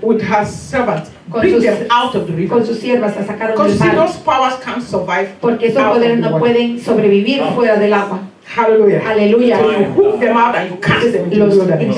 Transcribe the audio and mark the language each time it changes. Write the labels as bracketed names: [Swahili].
[English] With her servants, bring them out of the river. [Spanish] Con sus siervas a sacaron del mar. [English] Because those powers can't survive. [Spanish] Porque esos poderes no pueden sobrevivir fuera del agua. [English] Hallelujah. Hallelujah. So you hook them out and you cast them into los the wilderness.